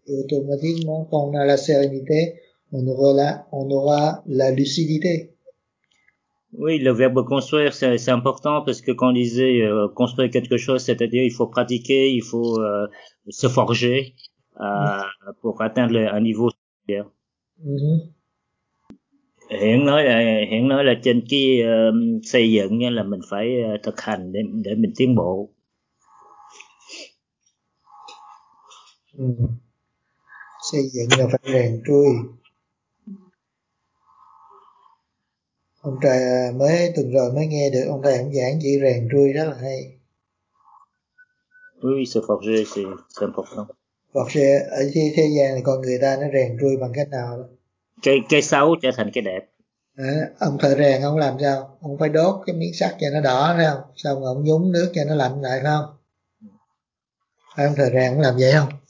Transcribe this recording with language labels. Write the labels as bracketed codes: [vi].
[fr] Et automatiquement, quand on a la sérénité, on aura la lucidité. Oui, le verbe construire, c'est important, parce que quand on disait construire quelque chose, c'est-à-dire il faut pratiquer, il faut se forger pour atteindre un niveau supérieur. [vi] Hiện nói là trên cái xây dựng, nghĩa là mình phải thực hành để mình tiến bộ. Xây dựng là phải rèn trui. Ông trời mới tuần rồi mới nghe được ông thầy ông giảng chỉ rèn trui rất là hay. [fr] Oui, se forger, c'est important. [vi] Forger, ở trên thế gian thì con người ta nó rèn trui bằng cách nào? Cái xấu trở thành cái đẹp. À, ông thợ rèn ông làm sao? Ông phải đốt cái miếng sắt cho nó đỏ ra, xong ông nhúng nước cho nó lạnh lại không? Phải ông thợ rèn ông làm vậy không?